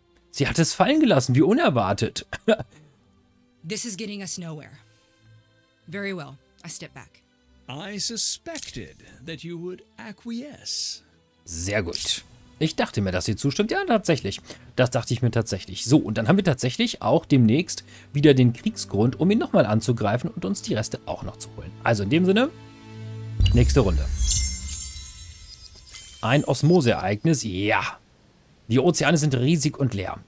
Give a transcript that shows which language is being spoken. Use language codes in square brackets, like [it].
[de] Sie hat es fallen gelassen, wie unerwartet. [en] This is getting us nowhere. Very well. I step back. I suspected that you would acquiesce. [de] Sehr gut. Ich dachte mir, dass sie zustimmt. Ja, tatsächlich. Das dachte ich mir tatsächlich. So, und dann haben wir tatsächlich auch demnächst wieder den Kriegsgrund, um ihn nochmal anzugreifen und uns die Reste auch noch zu holen. Also in dem Sinne, nächste Runde. Ein Osmoseereignis. Ja. Die Ozeane sind riesig und leer.